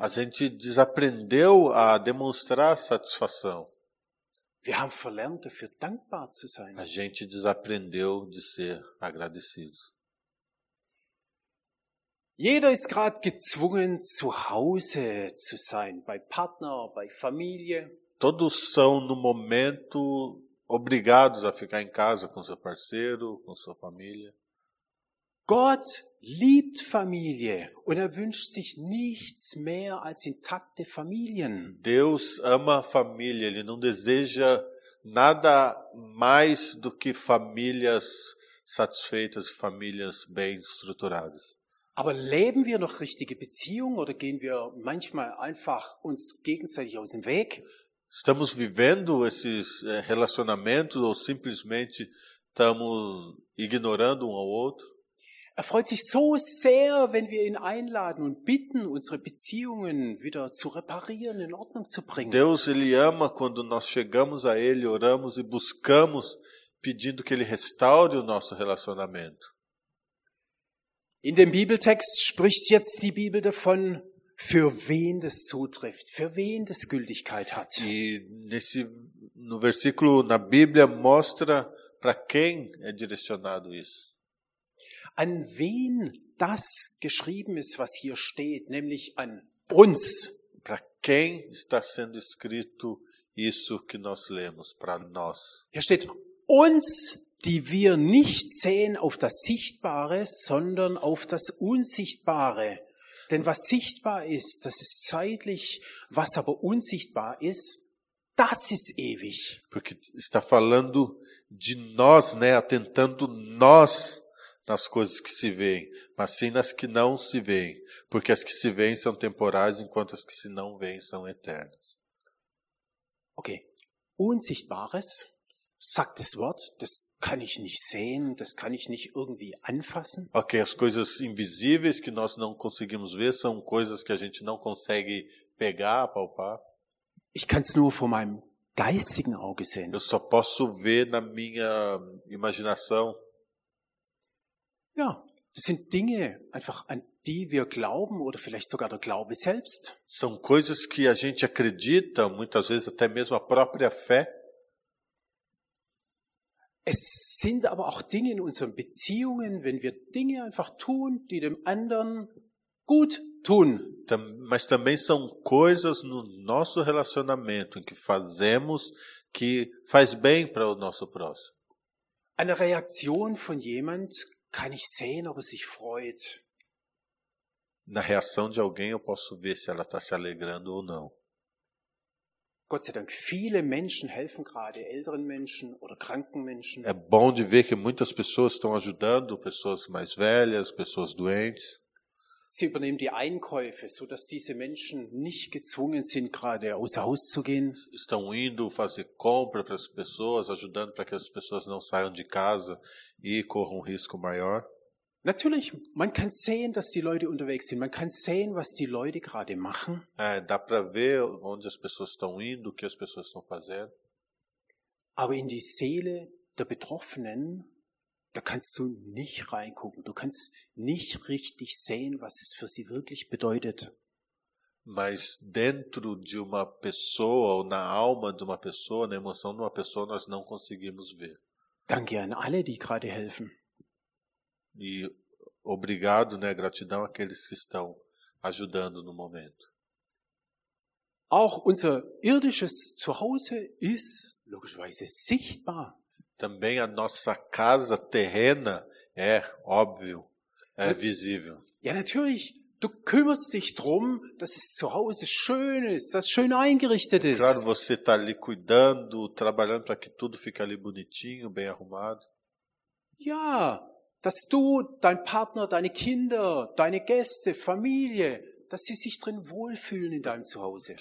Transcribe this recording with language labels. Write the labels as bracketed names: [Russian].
[Portuguese] A gente desaprendeu a demonstrar satisfação. [German] Wir haben verlernt, dafür dankbar zu sein. [Portuguese] A gente desaprendeu de ser agradecido. [German] Jeder ist gerade gezwungen, zu Hause zu sein, bei Partner, bei Familie. [Portuguese] Todos são no momento obrigados a ficar em casa com seu parceiro, com sua família. [German] Gott liebt Familie und wünscht sich nichts mehr als intakte Familien. [Portuguese] Deus ama a família, ele não deseja nada mais do que famílias satisfeitas, famílias bem estruturadas. [German] Aber leben wir noch richtige Beziehungen oder gehen wir manchmal einfach uns gegenseitig aus dem Weg? [Portuguese] Estamos vivendo esses relacionamentos ou simplesmente estamos ignorando ao outro? [German] Er freut sich so sehr, wenn wir ihn einladen und bitten, unsere Beziehungen wieder zu reparieren, in Ordnung zu bringen. [Portuguese] Deus, ele ama quando nós chegamos a ele, oramos e buscamos, pedindo que ele restaure o nosso relacionamento. [German] In dem Bibeltext spricht jetzt die Bibel davon, für wen das zutrifft, für wen das Gültigkeit hat. [Portuguese] E no versículo na Bíblia mostra para quem é direcionado isso. [German] An wen das geschrieben ist, was hier steht, nämlich an uns. [Portuguese] Para quem está sendo escrito isso que nós lemos, para nós. [German] Hier steht uns, die wir nicht sehen auf das Sichtbare, sondern auf das Unsichtbare. Denn was sichtbar ist, das ist zeitlich, was aber unsichtbar ist, das ist ewig. [Portuguese] Porque está falando de nós, né? Atentando nós, nas coisas que se veem, mas sim nas que não se veem, porque as que se veem são temporais, enquanto as que se não veem são eternas. Ok. [German] Unsichtbares, sagt das Wort, das kann ich nicht sehen, das kann ich nicht irgendwie anfassen. [Portuguese] Ok, as coisas invisíveis que nós não conseguimos ver são coisas que a gente não consegue pegar, palpar. [German] Ich kann es nur vor meinem geistigen Auge sehen. [Portuguese] Eu só posso ver na minha imaginação. [German] Ja, das sind Dinge, einfach an die wir glauben oder vielleicht sogar der Glaube selbst. [Portuguese] São coisas que a gente acredita, muitas vezes até mesmo a própria fé. [German] Es sind aber auch Dinge in unseren Beziehungen, wenn wir Dinge einfach tun, die dem anderen gut tun. [Portuguese] Mas também são coisas no nosso relacionamento que fazemos que faz bem para o nosso próximo. [German] Eine Reaktion von jemand kann ich sehen, ob er sich freut. [Portuguese] Na reação de alguém eu posso ver se ela está se alegrando ou não. [German] Gott sei Dank, viele Menschen helfen gerade älteren Menschen oder kranken Menschen. [Portuguese] É bom de ver que muitas pessoas estão ajudando, pessoas mais velhas, pessoas doentes. [German] Sie übernehmen die Einkäufe, so dass diese Menschen nicht gezwungen sind, gerade aus Haus zu gehen. [Portuguese] Estão indo fazer compra para as pessoas, ajudando para que as pessoas não saiam de casa e corram um risco maior. [German] Natürlich, man kann sehen, dass die Leute unterwegs sind. Man kann sehen, was die Leute gerade machen. [Portuguese] É, dá para ver onde as pessoas estão indo, o que as pessoas estão fazendo. [German] Aber in die Seele der Betroffenen, da kannst du nicht reingucken. Du kannst nicht richtig sehen, was es für sie wirklich bedeutet. [Portuguese] Mas dentro de uma pessoa, ou na alma de uma pessoa, na emoção de uma pessoa, nós não conseguimos ver. [German] Danke an alle, die gerade helfen. [Portuguese] E obrigado, né, gratidão àqueles que estão ajudando no momento. [German] Auch unser irdisches Zuhause ist logischerweise sichtbar. [Portuguese] Também a nossa casa terrena é óbvio, é visível. [German] Ja, natürlich, du kümmerst dich drum, dass es zu Hause schön ist, dass schön eingerichtet ist. [Portuguese] Claro, você está ali cuidando, trabalhando para que tudo fique ali bonitinho, bem arrumado. [German] Ja, dass du, dein Partner, deine Kinder, deine Gäste, Familie, dass sie sich drin wohlfühlen in deinem Zuhause.